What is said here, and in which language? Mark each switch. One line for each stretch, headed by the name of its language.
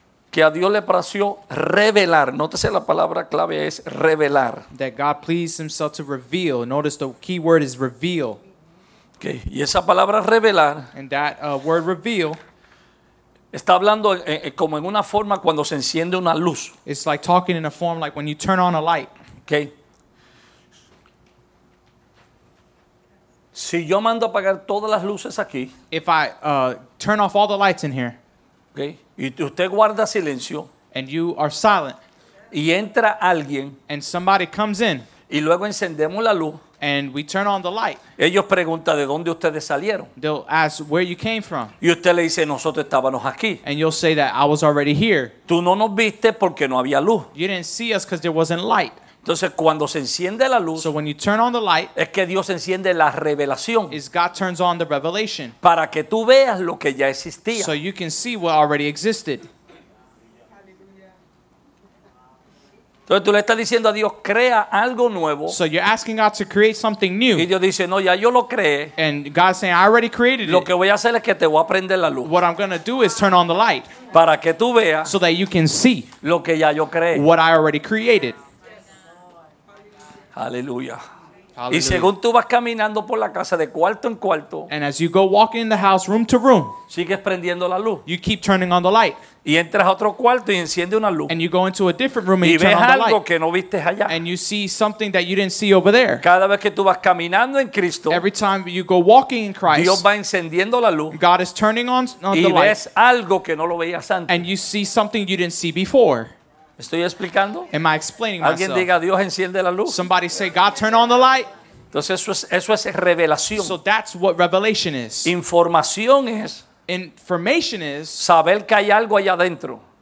Spanish: que a Dios le plació revelar. Nótese la palabra clave es revelar.
English: That God pleased himself to reveal. Notice the key word is reveal.
Spanish: Okay. Y esa palabra revelar,
English: and that word reveal,
Spanish: está hablando como en una forma cuando se enciende una luz.
English: It's like talking in a form like when you turn on a light. Okay.
Spanish: Si yo mando a apagar todas las luces aquí,
English: if I turn off all the lights in here,
Spanish: okay, y usted guarda silencio,
English: and you are silent,
Spanish: y entra alguien,
English: and somebody comes in,
Spanish: y luego encendemos la luz,
English: and we turn on the light.
Spanish: Ellos preguntan de dónde ustedes salieron.
English: They'll ask where you came from.
Spanish: Y usted le dice nosotros estábamos aquí.
English: And you'll say that I was already here.
Spanish: Tú no nos viste porque no había luz.
English: You didn't see us because there wasn't light.
Spanish: Entonces cuando se enciende la luz,
English: so when you turn on the light,
Spanish: es que Dios enciende la revelación.
English: Is God turns on the revelation.
Spanish: Para que tú veas lo que ya existía.
English: So you can see what already existed.
Spanish: Entonces tú le estás diciendo a Dios crea algo nuevo.
English: So you're asking God to create something new.
Spanish: Y Dios dice no, ya yo lo creé.
English: And God's saying I already created
Spanish: it. Lo que voy a hacer es que te voy a prender la luz.
English: What I'm going to do is turn on the light.
Spanish: Para que tú veas.
English: So that you can see.
Spanish: Lo que ya yo creé.
English: What I already created.
Spanish: Aleluya.
English: Hallelujah.
Spanish: Y según tú vas caminando por la casa de cuarto en cuarto.
English: And as you go walking in the house room to room.
Spanish: Sigues prendiendo la luz.
English: You keep turning on the light.
Spanish: Y entras a otro cuarto y enciende una luz.
English: And you go into a different room and
Spanish: y
English: you turn on the light.
Spanish: Y ves algo que no viste allá.
English: And you see something that you didn't see over there.
Spanish: Cada vez que tú vas caminando en Cristo.
English: Every time you go walking in Christ.
Spanish: Dios va encendiendo la luz.
English: God is turning on the light.
Spanish: Y ves algo que no lo veías antes.
English: And you see something you didn't see before.
Spanish: ¿Estoy explicando?
English: Am I explaining
Spanish: myself? Alguien diga Dios enciende la luz.
English: Somebody say God turn on the light.
Spanish: Entonces eso es revelación.
English: So that's what revelation is.
Spanish: Información es.
English: Information is
Spanish: saber que hay algo allá adentro.